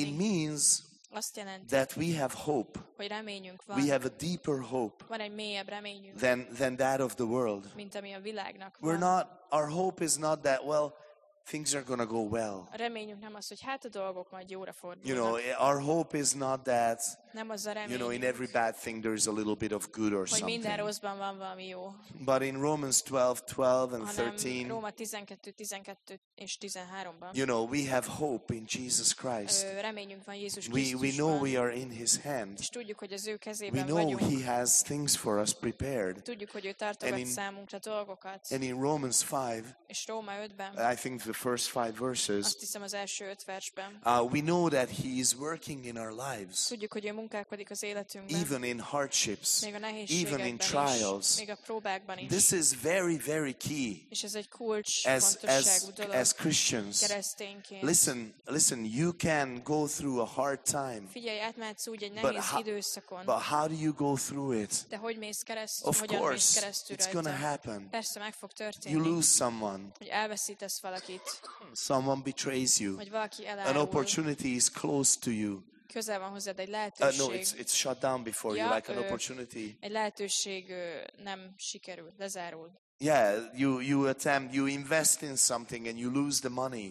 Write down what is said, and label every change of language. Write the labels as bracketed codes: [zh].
[en] It means that we have hope. [hu] Hogy reményünk van. [en] We have a deeper hope. [hu] Van egy mélyebb reményünk. [en] Than that of the world. [hu] Mint ami a világnak van. [en] We're not. Our hope is not that well. Things are gonna go well. [hu] A reményünk nem az, hogy hát a dolgok majd jóra fordulnak. [en] You know, our hope is not that. [hu] Nem az a reményünk. [en] You know, in every bad thing there is a little bit of good or [hu] hogy [en] something. [hu] Hogy minden rosszban van valami jó. [en] But in Romans 12:12 and 13. [hu] Hanem Róma 12:12 és 13-ban. [en] You know, we have hope in Jesus Christ. [hu] Reményünk van Jézus Krisztusban. [en] We know we are in His hand. [hu] És tudjuk, hogy az ő kezében vagyunk. [en] We know He has things for us prepared. [hu] Tudjuk, hogy ő tartogat számunkra dolgokat. [en] And in Romans 5. [hu] És Róma 5-ben. [en] I think the first five verses. [hu] Azt hiszem, az első öt versben. [en] We know that He is working in our lives. [hu] Tudjuk, hogy ő munkálkodik az életünkben. [en] Even in hardships. [hu] Még a nehézségekben. [en] Even in trials. [hu] Még a próbákban is. [en] This is very, very key. [hu] És ez egy kulcs, fontosságú dolog. [en] As Christians. [hu] Keresztényként. [en] Listen. You can go through a hard time. [hu] Figyelj, átmehetsz úgy egy nehéz időszakon. [en] But how do you go through it? [hu] De hogy mész keresztül? [en] Of course. [hu] Hogyan mész keresztül? [en] It's gonna happen. [hu] Persze meg fog történni. [en] You lose someone. [hu] Hogy elveszítesz valakit. [en] Someone betrays you. An opportunity is close to you. [hu] Közel van hozzád egy lehetőség. [en] No, it's shut down before you, like an opportunity. [hu] Egy lehetőség nem sikerül, lezárul. [en] Yeah, you attempt, you invest in something and you lose the money.